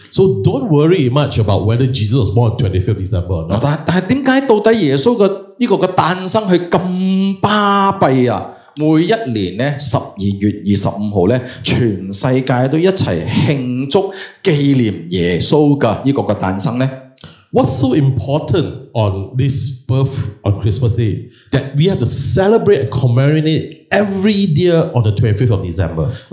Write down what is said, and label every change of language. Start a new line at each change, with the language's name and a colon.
English: So don't worry much about whether Jesus was born on 25th December or not.
Chinese: 但是为什么到底耶稣的诞生是这么巴闭啊? 每一年12月25日 全世界都一起庆祝纪念耶稣的诞生呢?
English: What's so important on this birth on Christmas Day that we have to celebrate and commemorate it every year on the 25th of December?